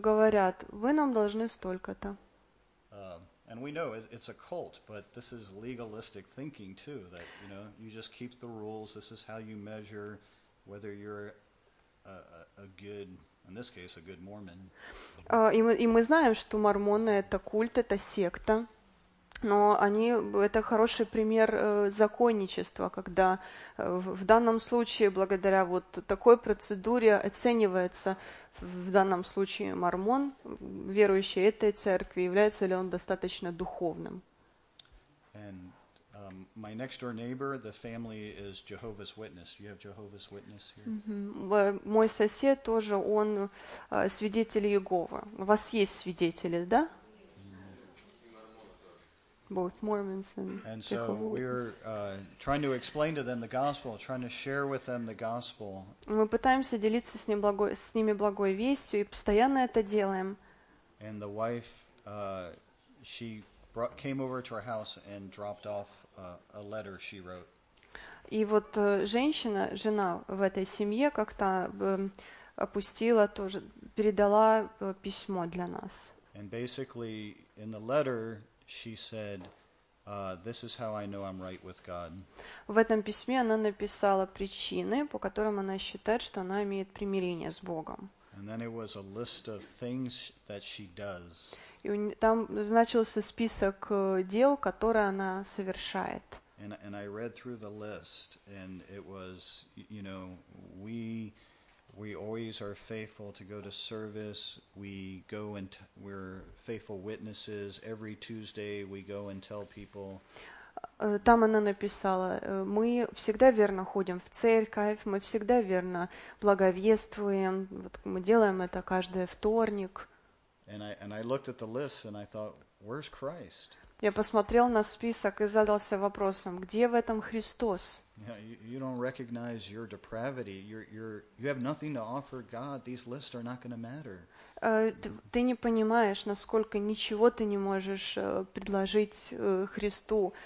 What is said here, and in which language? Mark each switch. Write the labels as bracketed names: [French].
[Russian] говорят, вы нам должны столько-то. [English] And we know it's a cult, but this is legalistic thinking too, that, you know, you just keep the rules, this is how you measure whether you're a good In this case, a good Mormon. [Russian] И мы знаем, что мормоны — это культ, это секта, но они — это хороший пример законничества, когда в данном случае, благодаря вот такой процедуре, оценивается в данном случае мормон, верующий этой церкви, является ли он достаточно духовным. [English] And my next-door neighbor, the family is Jehovah's Witness. You have Jehovah's Witness here? [Russian] Мой сосед тоже, он свидетель Иеговы. У вас есть свидетели, да? [English] Both Mormons and Jehovah's. And so we're trying to explain to them the gospel, trying to share with them the gospel. [Russian] Мы пытаемся делиться с ними благой вестью и постоянно это делаем. [English] And the wife, she brought, came over to our house and dropped off a letter she wrote. [Russian] И вот женщина, жена в этой семье, как-то опустила тоже, передала письмо для нас. [English] And basically, in the letter, she said, "This is how I know I'm right with God." [Russian] В этом письме она написала причины, по которым она считает, что она имеет примирение с Богом. [English] And then it was a list of things that she does. [Russian] И там значился список дел, которые она совершает. [English] And I read through the list, and it was, you know, we always are faithful to go to service. We go and we're faithful witnesses. Every Tuesday we go and tell people. [Russian] Там она написала: мы всегда верно ходим в церковь, мы всегда верно благовествуем. Вот мы делаем это каждый вторник. [English] And I looked at the list and I thought, where's Christ? [Russian] Я посмотрел на список и задался вопросом: где в этом Христос? [English] Yeah, you don't recognize your depravity. You have nothing to offer God. These lists are not going to matter. [Russian] Ты не понимаешь, насколько ничего ты не можешь предложить Христу.